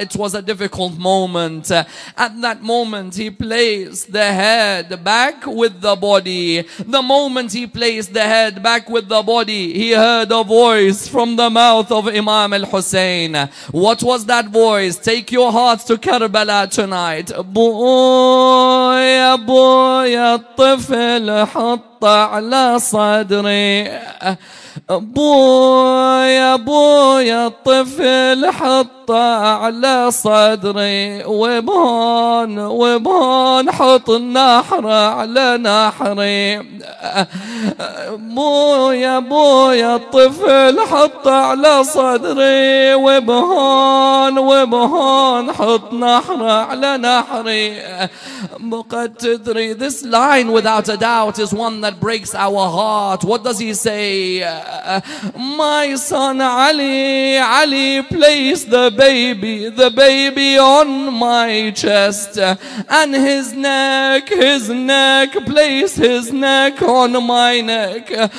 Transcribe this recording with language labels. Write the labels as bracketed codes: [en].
[en] It was a difficult moment. At that moment, he placed the head back with the body. The moment he placed the head back with the body, he heard a voice from the mouth of Imam al-Hussein. What was that voice? Take your hearts to Karbala tonight. Boy, boy, [ar] الطفل حط على صدري. أبويا أبويا الطفل حط على صدري وبهون وبهون حط النحرة على نحري أبويا أبويا الطفل حط على صدري وبهون وبهون حط نحرة على نحري مقد تدري. [en] This line without a doubt is one that breaks our heart. What does he say? My son Ali, Ali, place the baby on my chest. And his neck, place his neck on my neck.